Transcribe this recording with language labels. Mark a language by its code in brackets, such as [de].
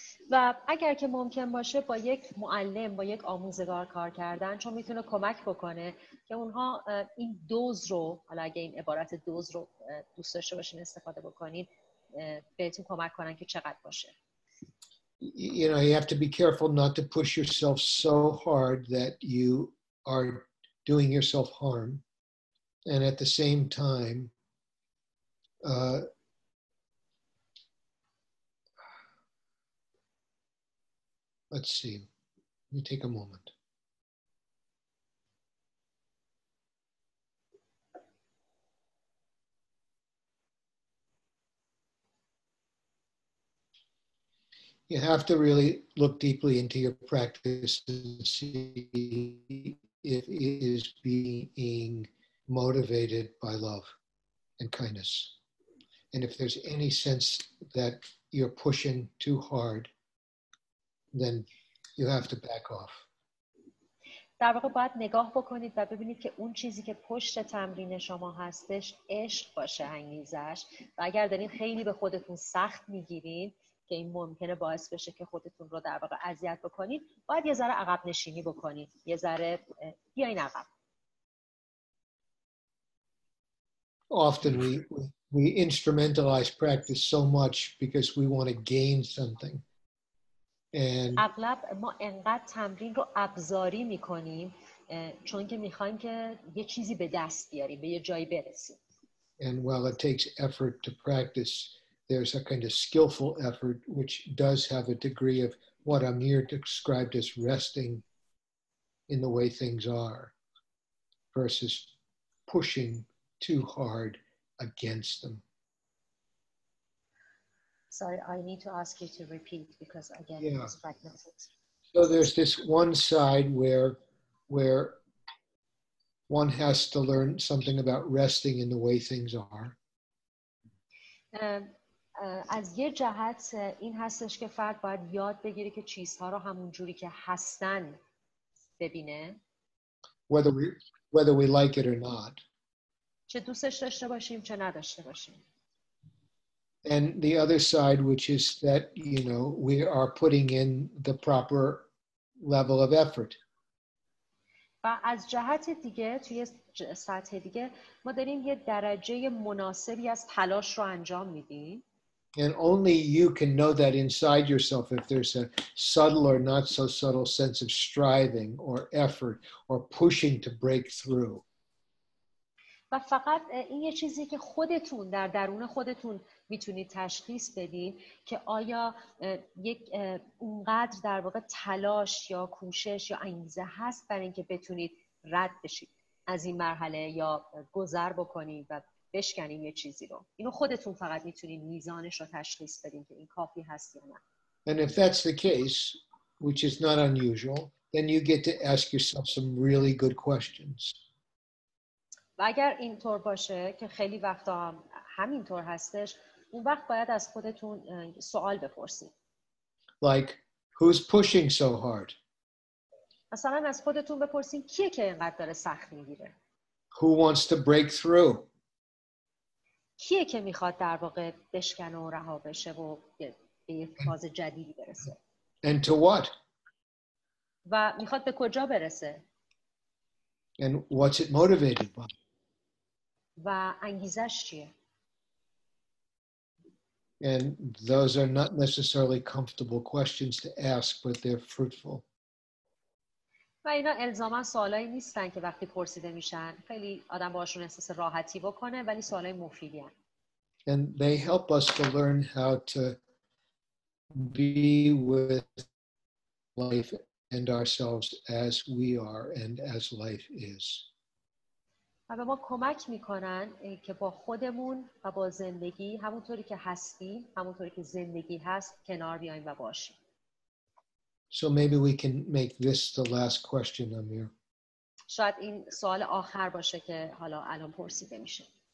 [fa] و اگر که ممکن باشه با یک معلم با یک آموزگار کار کردن چون میتونه کمک بکنه که اونها این دوز رو حالا اگه این عبارت دوز رو دوست داشته باشین استفاده بکنین بهتون کمک کنن که چقدر باشه. [en] You know, you have to be careful not to push yourself so hard that you are doing yourself harm, and at the same time let's see. Let me take a moment. You have to really look deeply into your practice and see if it is being motivated by love and kindness. And if there's any sense that you're pushing too hard, then you have to back off. [fa] در واقع باید نگاه بکنید و ببینید که اون چیزی که پشت تمرین شما هستش عشق باشه انگیزش و اگر دارین خیلی به خودتون سخت میگیرین که این ممکنه باعث بشه که خودتون رو در واقع اذیت بکنید باید یه ذره عقب نشینی بکنید یه ذره بیاین عقب. [en] Often we instrumentalize practice so much because we want to gain something. [fa] اغلب ما انقدر تمرین رو ابزاری می‌کنیم چون که می‌خوایم که یه چیزی به دست بیاریم به یه جایی برسیم. [en] And while it takes effort to practice, there's a kind of skillful effort which does have a degree of what Amir described as resting in the way things are versus pushing too hard against them. Sorry, I need to ask you to repeat because again, yeah. It's fragmented. So there's this one side where one has to learn something about resting in the way things are. [fa] از یه جهت این هستش که فرد باید یاد بگیره که چیزها رو همون جوری که هستن ببینه. [en] Whether we like it or not. [fa] چه دوستش داشته باشیم چه نداشته باشیم. [en] And the other side, which is that, you know, we are putting in the proper level of effort. [fa] و از جهت دیگه توی سطح دیگه ما داریم یه درجه مناسبی از تلاش رو انجام میدیم. [en] And only you can know that inside yourself if there's a subtle or not so subtle sense of striving or effort or pushing to break through. [fa] و فقط این یه چیزی که خودتون در درون خودتون میتونید تشخیص بدین که آیا یک اونقدر در واقع تلاش یا کوشش یا انگیزه هست برای اینکه بتونید رد بشید از این مرحله یا گذر بکنید و بشکنید یه چیزی رو. اینو خودتون فقط میتونید میزانش رو تشخیص بدین که این کافی هست یا نه. [en] And if that's the case, which is not unusual, then you get to ask yourself some really good questions. [fa] و اگر اینطور باشه که خیلی وقتا همینطور هستش اون وقت باید از خودتون سوال بپرسید. [en] Like, who's pushing so hard? [fa] مثلا از خودتون بپرسید کیه که اینقدر داره سخت میگیره؟ [en] Who wants to break through? [fa] کیه که میخواد در واقع بشکنه و رها بشه و به یه فاز جدیدی برسه؟ [en] And to what? [fa] و میخواد به کجا برسه؟ [en] And what's it motivated by? [fa] و انگیزش چیه؟ [en] And those are not necessarily comfortable questions to ask, but they're fruitful. [fa] و اینا الزاماً سوالایی نیستن که وقتی پرسیده میشن خیلی آدم باهاشون احساس راحتی بکنه ولی سوالای مفیدی هستن. [en] And they help us to learn how to be with life and ourselves as we are and as life is. [fa] و به ما کمک میکنن که با خودمون و با زندگی همونطوری که هستیم همونطوری که زندگی هست کنار بیایم و باشیم. [en] So maybe we can make this the last question, Amir. [fa] شاید این سوال آخر باشه که حالا الان پرسیده میشه.